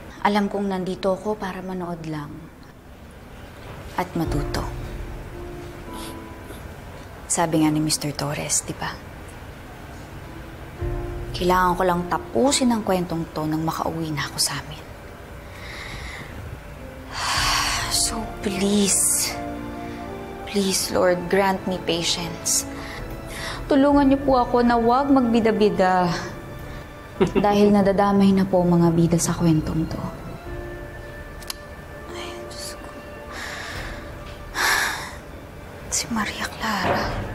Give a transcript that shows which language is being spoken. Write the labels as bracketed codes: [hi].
[tl] Alam kong nandito ako para manood lang at matuto. Sabi nga ni Mr. Torres, di ba? Kailangan ko lang tapusin ang kwentong to nang makauwi na ako sa amin. [en] So please, please Lord, grant me patience. [tl] Tulungan niyo po ako na huwag magbida-bida. Dahil nadadamay na po mga bida sa kwentong to. Ay, Diyos ko. Si Maria Clara.